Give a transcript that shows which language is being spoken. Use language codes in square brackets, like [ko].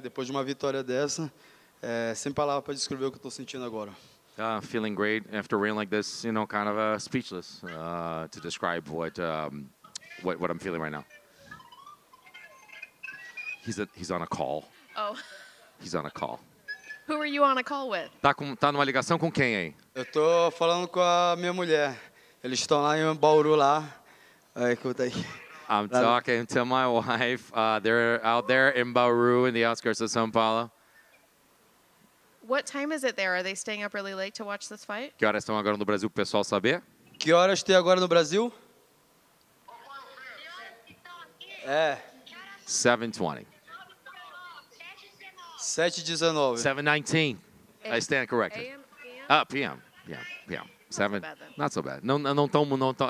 [pt] Depois de uma vitória dessa, sem palavras para descrever o que estou sentindo agora. [en] Feeling great after a win like this, you know, kind of speechless to describe what I'm feeling right now. He's on a call. Oh. He's on a call. Who are you on a call with? [pt] Tá numa ligação com quem aí? Eu tô falando com a minha mulher. Eles estão lá em Bauru lá. Aí, escuta aí. [en] I'm talking to my wife. They're out there in Bauru in the outskirts of São Paulo. What time is it there? Are they staying up really late to watch this fight? [pt] Que horas estão agora no Brasil, pro pessoal saber? Que horas tem agora no Brasil? É. 7:20. 7:19. [en] 7:19. I stand corrected. A.M. P.M. 7. Not so bad. [pt] Não tão.